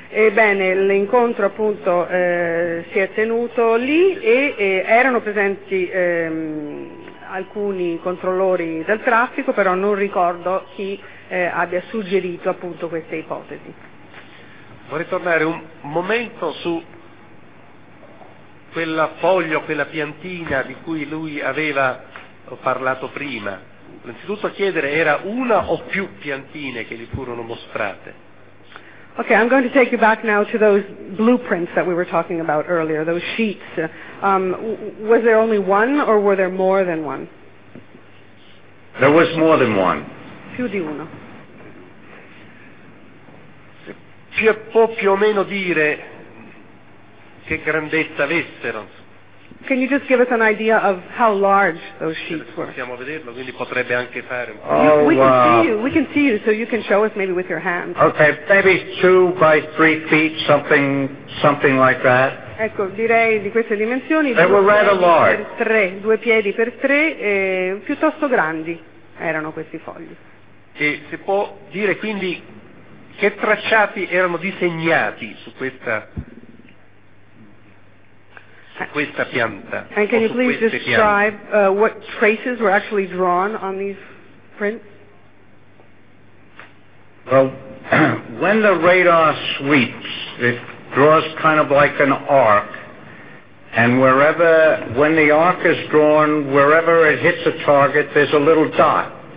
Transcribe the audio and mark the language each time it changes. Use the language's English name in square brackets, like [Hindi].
[Italian] Ebbene, l'incontro appunto si è tenuto lì e erano presenti alcuni controllori del traffico, però non ricordo chi abbia suggerito appunto queste ipotesi. Vorrei tornare un momento su quella foglia, quella piantina di cui lui aveva parlato prima. Innanzitutto chiedere, era una o più piantine che gli furono mostrate? [English] Okay, I'm going to take you back now to those blueprints that we were talking about earlier, those sheets. Was there only one or were there more than one? There was more than one. [Italian] Più di uno. Si può più o meno dire che grandezza avessero? [English] Can you just give us an idea of how large those sheets were? [Italian] Possiamo vederlo, quindi potrebbe anche fare un po'. Oh, [English] we can see you. We can see you, so you can show us maybe with your hands. Okay, maybe 2 by 3 feet, something like that. [Italian] Ecco, direi di queste dimensioni. [English] They were rather large. [Italian] Due piedi per tre, piuttosto grandi erano questi fogli. E si può dire quindi che tracciati erano disegnati su questa? Questa pianta. [English] And can you please describe what traces were actually drawn on these prints? Well, when the radar sweeps, it draws kind of like an arc, and when the arc is drawn, wherever it hits a target, there's a little dot.